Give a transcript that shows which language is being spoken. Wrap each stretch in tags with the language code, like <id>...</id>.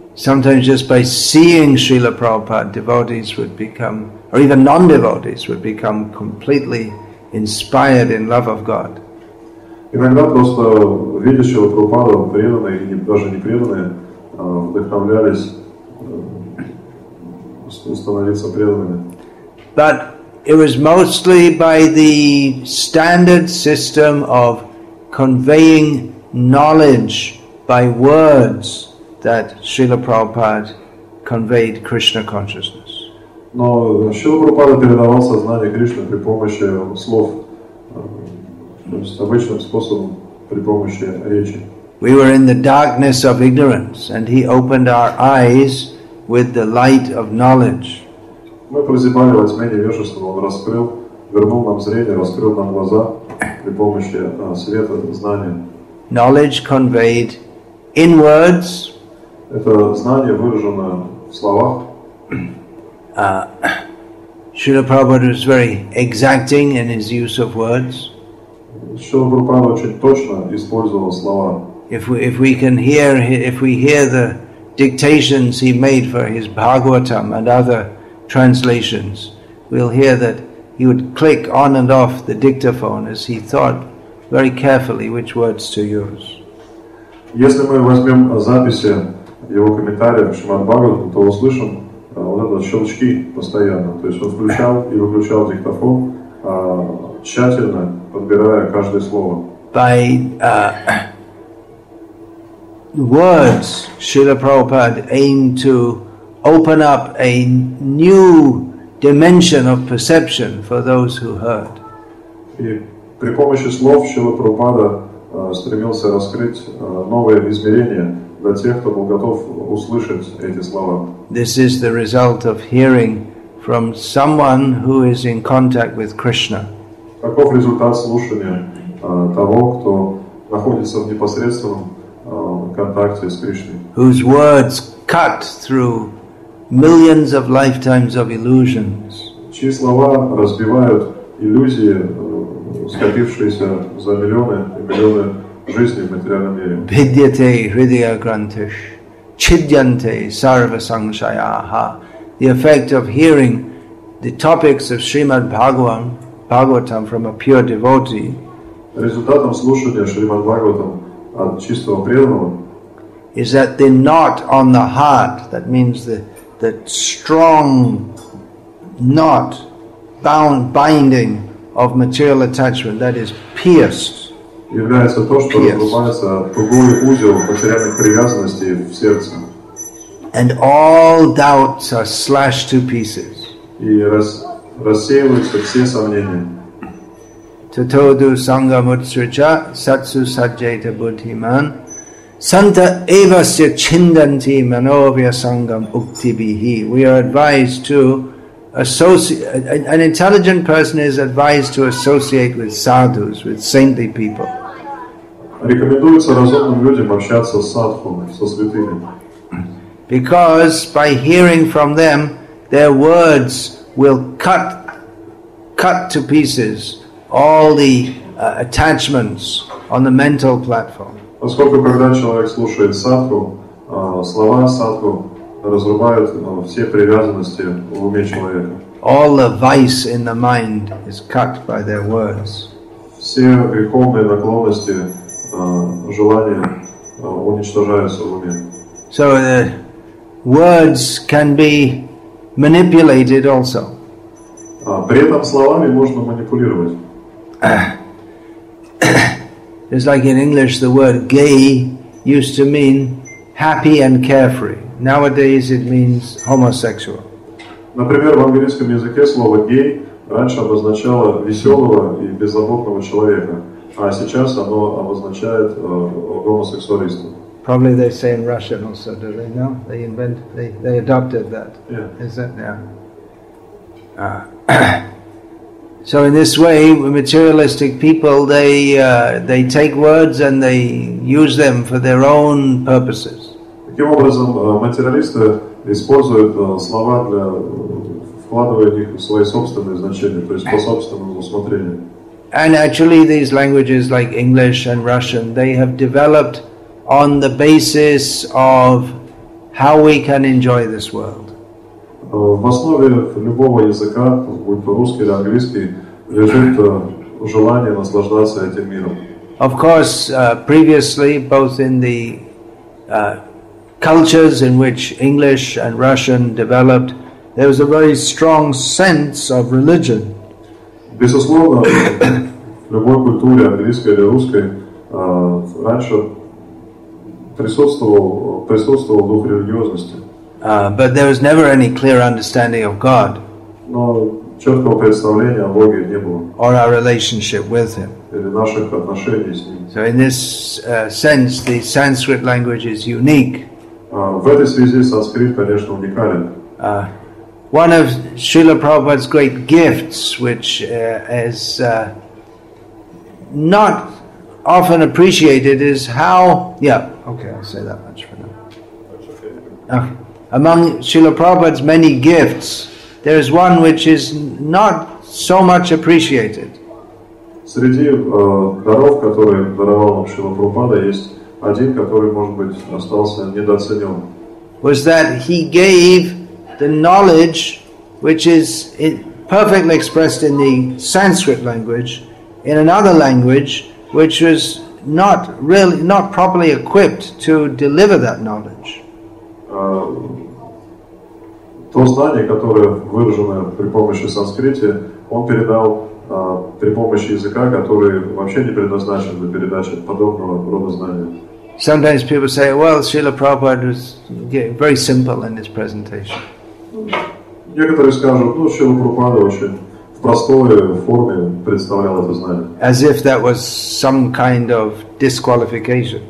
<en>Sometimes just by seeing Srila Prabhupada, devotees would become, or even non-devotees would become completely inspired in love of God.</en> <ru>Иногда просто видя Шрила Прабхупаду, преданные или даже не преданные, вдохновлялись становиться преданными.</ru> <en>But it was mostly by the standard system of conveying knowledge by words that Srila Prabhupada conveyed Krishna consciousness.</en> <ru>Но Шрила Прабхупада передавал сознание Кришны при помощи слов, то есть обычным способом, при помощи речи.</ru> <en>We were in the darkness of ignorance, and he opened our eyes with the light of knowledge.</en> <ru>Мы прозябали во тьме невежества, он раскрыл, вернул нам зрение, раскрыл нам глаза при помощи света, знания.</ru> <en>Knowledge conveyed in words.</en> <ru>Это знание выражено в словах.</ru> <en>Srila Prabhupada was very exacting in his use of words.</en> <ru>Srila Prabhupada очень точно использовал слова.</ru> <en>If we hear the dictations he made for his Bhagavatam and other translations, we'll hear that he would click on and off the dictaphone as he thought very carefully which words to use.</en> <ru>Если мы возьмем записи его комментариев в Шримад-Бхагаватам, то услышим вот этот щелчки постоянно. То есть он включал и выключал диктофон, тщательно подбирая каждое слово.</ru> <en>By words, Srila Prabhupada aimed to open up a new dimension of perception for those who heard.</en> <ru>И при помощи слов Шрила Прабхупада стремился раскрыть новое измерение для тех, кто был готов услышать эти слова.</ru> <en>This is the result of hearing from someone who is in contact with Krishna.</en> <ru>Таков результат слушания того, кто находится в непосредственном контакте с Кришной.</ru> <en>Whose words cut through millions of lifetimes of illusions.</en> <ru>Чьи слова разбивают иллюзии, скопившиеся за миллионы и миллионы жизней в материальном мире.</ru> <sa>Бхидьяте хридья грантиш, чидьянте сарва саншаяха.</sa> <en>The effect of hearing the topics of Srimad Bhagavatam from a pure devotee.</en> <ru>Результатом слушания Шримад Бхагаватам от чистого преданного.</ru> <en>Is that the knot on the heart, that means the strong knot bound binding of material attachment, that is pierced.</en> <ru>Является то, что разрубается тугой узел потерянных привязанностей в сердце.</ru> <en>And all doubts are slashed to pieces.</en> <ru>И рассеиваются все сомнения.</ru> <sa>Тато ду санга мутсрича сатсу саджета буддхиман. Santa evasya chindanti manovya sangam uktibihi.</sa> <en>We are advised to associate. An intelligent person is advised to associate with sadhus, with saintly people.</en> <ru>Рекомендуется разумным людям общаться с садхами, со святыми.</ru> <en>Because by hearing from them, their words will cut to pieces all the attachments on the mental platform.</en> <ru>Поскольку когда человек слушает садху, слова садху разрубают все привязанности в уме человека.</ru> <en>All the vice in the mind is cut by their words.</en> <ru>Все греховные наклонности, желания уничтожаются в уме.</ru> <en>So the words can be manipulated also.</en> <ru>При этом словами можно манипулировать.</ru> <en>It's like in English, the word gay used to mean happy and carefree. Nowadays, it means homosexual.</en> <ru>Например, в английском языке слово gay раньше обозначало веселого и беззаботного человека, а сейчас оно обозначает гомосексуалиста.</ru> <en>Probably they say in Russian also, do they know? They invented, they adopted that. Yeah. Is that now? So in this way, materialistic people, they take words and they use them for their own purposes.</en> <ru>Таким образом, материалисты используют слова для вкладывая их в свои собственные значения, то есть по собственному усмотрению.</ru> <en>And actually, these languages like English and Russian, they have developed on the basis of how we can enjoy this world.</en> <ru>В основе любого языка, будь то русский или английский, лежит желание наслаждаться этим миром.</ru> <en>Of course, previously, both in the cultures in which English and Russian developed, there was a very strong sense of religion.</en> <ru>Безусловно, в любой культуре, английской или русской, раньше присутствовал дух религиозности.</ru> <en>But there was never any clear understanding of God.</en> <ru>Но четкого представления о Боге не было.</ru> <en>Or our relationship with Him.</en> <ru>Или наших отношений с Ним.</ru> <en>So in this sense, the Sanskrit language is unique.</en> <ru>В этой связи санскрит, конечно, уникален.</ru> <en>One of Srila Prabhupada's great gifts, which is not often appreciated, is how... Yeah, okay, I'll say that much for now. Among Srila Prabhupada's many gifts, there is one which is not so much appreciated.</en> <ru>Среди даров, которые даровал нам Шрила Прабхупада, есть один, который, может быть, остался недооценен.</ru> <en>Was that he gave the knowledge, which is perfectly expressed in the Sanskrit language, in another language, which was not really, not properly equipped to deliver that knowledge.</en> <ru>То знание, которое выражено при помощи санскрита, он передал при помощи языка, который вообще не предназначен для передачи подобного рода знания.</ru> <en>Sometimes people say, well, Srila Prabhupada was very simple in his presentation.</en> <ru>Некоторые скажут, ну, Шрила Прабхупада очень в простой форме представлял это знание.</ru> <en>As if that was some kind of disqualification.</en>